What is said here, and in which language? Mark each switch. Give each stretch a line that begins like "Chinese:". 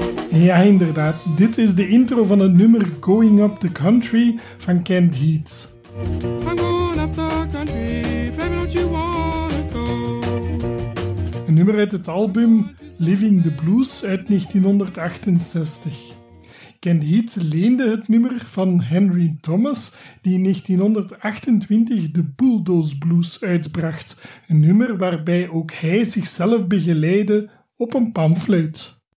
Dutch: Ja, inderdaad. Dit is de intro van het nummer Going Up the Country van Kent Heat.
English: I'm going up the country, baby, don't you wanna go?
Dutch: Een nummer uit het album Living the Blues uit 1968. Kent Heat leende het nummer van Henry Thomas, die in 1928 de Bulldoze Blues uitbracht. Een nummer waarbij ook hij zichzelf begeleidde op een panfluit.